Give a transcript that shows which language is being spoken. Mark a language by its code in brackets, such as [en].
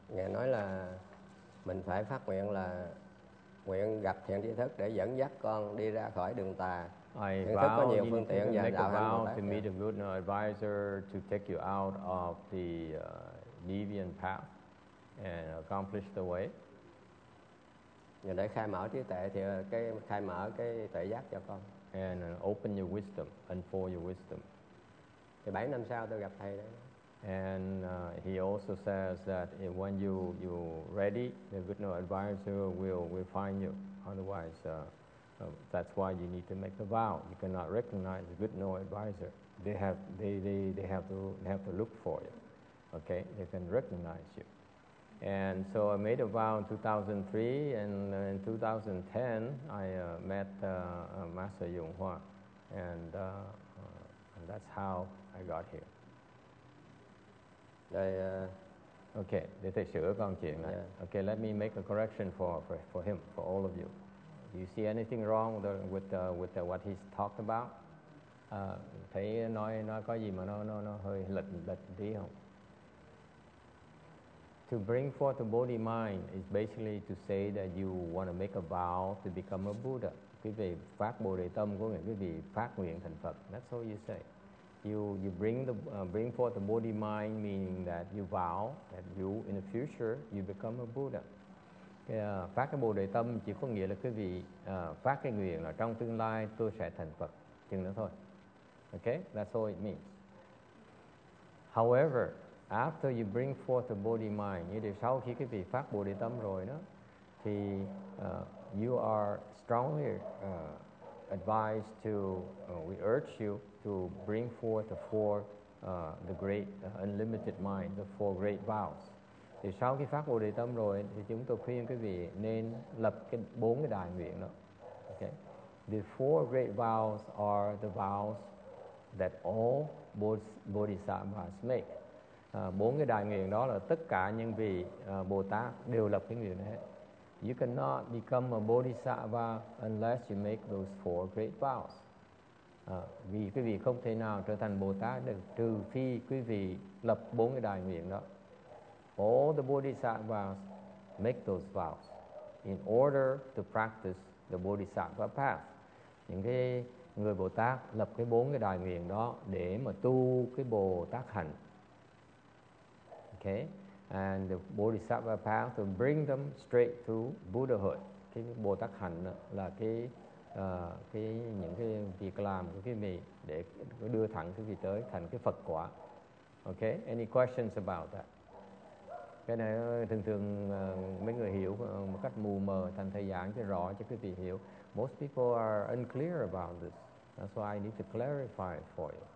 [vi] Ngài nói là mình phải phát nguyện là nguyện gặp thiện tri thức để dẫn dắt con đi ra khỏi đường tà. [en] I vow you need to make a vow to meet a good advisor to take you out of the deviant path and accomplish the way. [vi] Để khai mở trí tuệ thì cái khai mở cái tuệ giác cho con. [en] And open your wisdom, unfold your wisdom. [vi] Thì 7 năm sau tôi gặp thầy đấy. [en] And he also says that when you ready, the good no advisor will find you. Otherwise, that's why you need to make the vow. You cannot recognize the good no advisor. They have to look for you. Okay, they can recognize you. And so I made a vow in 2003, and in 2010 I met Master Yong Hua, and that's how I got here. [vi] Okay, để thầy sửa con chuyện này. [en] Yeah. Okay, let me make a correction for him, for all of you. Do you see anything wrong with what he's talked about? [vi] Thấy nói có gì mà nó hơi lệch tí không? [en] To bring forth the Bodhi mind is basically to say that you want to make a vow to become a Buddha. [vi] Quý vị phát Bồ Đề Tâm có nghĩa quý vị phát nguyện thành Phật. [en] That's all you say. You bring the bring forth the Bodhi mind, meaning that you vow that you in the future you become a Buddha. [vi] Phát cái Bồ Đề Tâm chỉ có nghĩa là quý vị phát cái nguyện là trong tương lai tôi sẽ thành Phật. Chừng đó thôi. [en] Okay, that's all it means. However, after you bring forth the Bodhi mind, [vi] như thế sau khi quý vị phát Bồ Đề Tâm rồi đó, thì [en] you are strongly advise to, we urge you to bring forth the four, the great unlimited mind, the four great vows. [vi] Thì sau khi phát Bồ Đề Tâm rồi, thì chúng tôi khuyên quý vị nên lập cái bốn cái đại nguyện đó. [en] Okay. The four great vows are the vows that all bodhisattvas make. [vi] Bốn cái đại nguyện đó là tất cả những vị Bồ Tát đều lập cái nguyện hết. [en] You cannot become a bodhisattva unless you make those four great vows. [vi] Vì quý vị không thể nào trở thành Bồ Tát được trừ phi quý vị lập bốn cái đại nguyện đó. [en] All the bodhisattvas make those vows in order to practice the bodhisattva path. [vi] Những cái người Bồ Tát lập cái bốn cái đại nguyện đó để mà tu cái Bồ Tát hạnh. [en] Okay, and the bodhisattva path to bring them straight to Buddhahood. [vi] Cái Bồ Tát hạnh là cái những cái việc làm của cái vị để đưa thẳng cái vị tới thành cái Phật quả. [en] Okay, any questions about that? [vi] Cái này thường thường mấy người hiểu một cách mù mờ, thành thầy giảng cho rõ cho quý vị hiểu. [en] Most people are unclear about this. That's why I need to clarify for you.